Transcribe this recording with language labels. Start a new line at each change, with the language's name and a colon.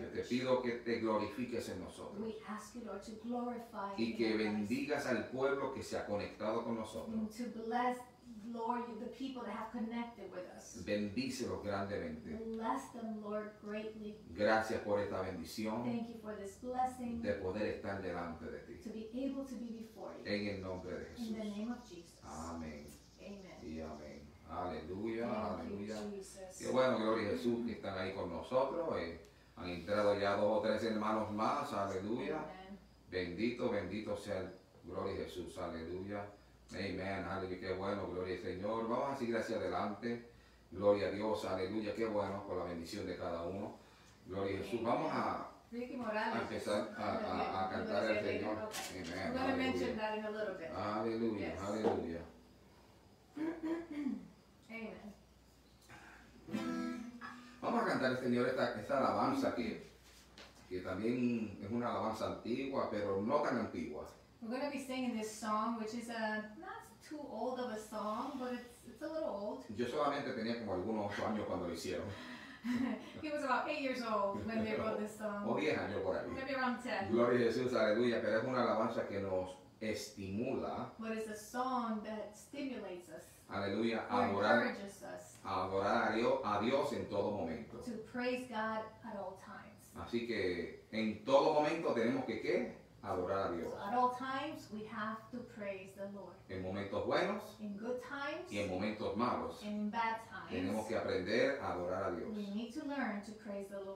Spanish: Yo te pido que te glorifiques en nosotros.
English: We ask you, Lord, to glorify
Spanish: y que bendigas al pueblo que se ha conectado con nosotros.
English: And to bless, Lord, the people that have connected with us.
Spanish: Bendícelos grandemente.
English: Bless them, Lord, greatly.
Spanish: Gracias por esta bendición.
English: Thank you for this blessing.
Spanish: De poder estar delante de ti.
English: To be able to be before you.
Spanish: En el nombre de Jesús.
English: In the name of Jesus.
Spanish: Amén.
English: Amen.
Spanish: Y amén. Aleluya.
English: Thank
Spanish: aleluya.
English: You, Jesus.
Spanish: Qué bueno, gloria a Jesús, que están ahí con nosotros. Han entrado ya dos o tres hermanos más. Aleluya.
English: Amen.
Spanish: Bendito, bendito sea el gloria a Jesús. Aleluya. Amén, aleluya, qué bueno, gloria al Señor. Vamos a seguir hacia adelante. Gloria a Dios, aleluya, qué bueno, con la bendición de cada uno. Gloria a Jesús. Vamos a empezar a cantar al Señor. Amén. Aleluya, aleluya.
English: Amen.
Spanish: Aleluya. Vamos a cantar al Señor esta alabanza que también es una alabanza antigua, pero no tan antigua.
English: We're going to be singing this song, which is not too old of a song, but it's a little old.
Spanish: Yo solamente tenía como algunos 8 años cuando lo hicieron.
English: He was about 8 years old when they wrote this song.
Spanish: O 10 años por ahí.
English: Maybe around 10.
Spanish: Gloria a Jesús, aleluya, pero es una alabanza que nos estimula.
English: But it's a song that stimulates us.
Spanish: Aleluya, adorar a Dios en todo momento.
English: To praise God at all times.
Spanish: Así que en todo momento tenemos que, ¿qué? Adorar a Dios.
English: So at all times we have to praise the Lord.
Spanish: En momentos buenos.
English: In good times.
Spanish: Y en momentos malos.
English: In bad times.
Spanish: Tenemos que aprender a adorar a Dios.
English: We need to learn to praise the Lord.